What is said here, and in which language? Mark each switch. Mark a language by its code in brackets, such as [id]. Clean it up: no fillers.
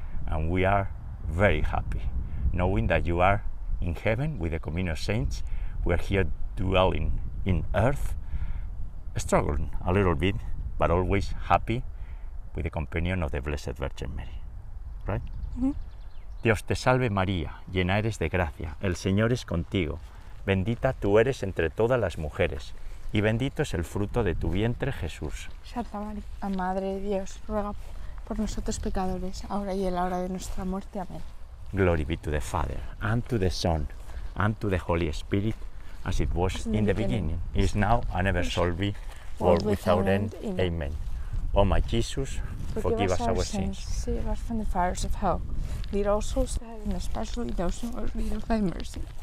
[en] And we are very happy knowing that you are in heaven with the communion of saints. We are here dwelling in earth, struggling a little bit, but always happy with the companion of the Blessed Virgin Mary, right? Mm-hmm. [es] Dios te salve María, llena eres de gracia, el Señor es contigo, bendita tú eres entre todas las mujeres, y bendito es el fruto de tu vientre Jesús. Santa María, Madre de Dios, ruega por nosotros pecadores, ahora y en la hora de nuestra muerte, amén. [en] Glory be to the Father, and to the Son, and to the Holy Spirit, as it was in the beginning, is now, and ever shall be, world without end, amen. O my Jesus, forgive us our sins. Save us from the fires of hell. Lead all souls to heaven, especially those who are in need of thy mercy.